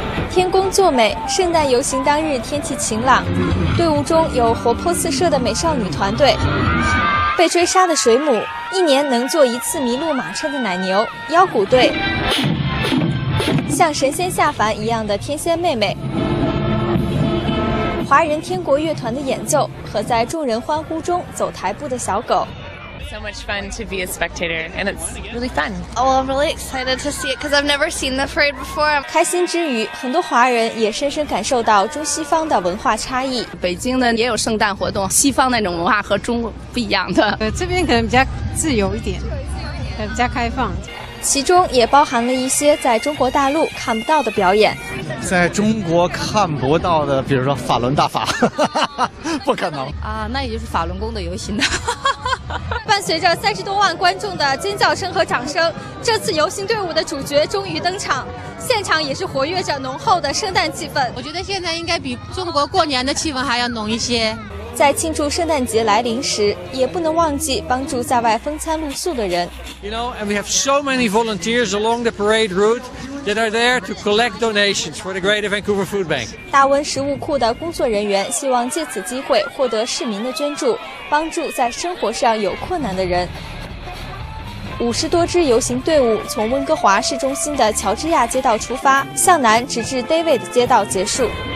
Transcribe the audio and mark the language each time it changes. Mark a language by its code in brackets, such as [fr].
[zh] 天公作美，圣诞游行当日天气晴朗，队伍中有活泼四射的美少女团队，被追杀的水母，一年能坐一次麋鹿马车的奶牛，腰鼓队，像神仙下凡一样的天仙妹妹，华人天国乐团的演奏和在众人欢呼中走台步的小狗。 [en] So much fun to be a spectator, and it's really fun. Oh, I'm really excited to see it because I've never seen the parade before. [zh] 开心之余，很多华人也深深感受到中西方的文化差异。北京呢也有圣诞活动，西方那种文化和中国不一样的。这边可能比较自由一点，比较开放。其中也包含了一些在中国大陆看不到的表演。在中国看不到的，比如说法轮大法，不可能啊！那也就是法轮功的游行了。伴随着30多万观众的尖叫声和掌声，这次游行队伍的主角终于登场，现场也是活跃着浓厚的圣诞气氛。我觉得现在应该比中国过年的气氛还要浓一些。在庆祝圣诞节来临时，也不能忘记帮助在外风餐露宿的人。 [en] You know, and we have so many volunteers along the parade route that are there to collect donations for the Greater Vancouver Food Bank. [zh] 大温食物库的工作人员希望借此机会获得市民的捐助，帮助在生活上有困难的人。 50多支游行队伍从温哥华市中心的乔治亚街道出发，向南直至 David 街道结束。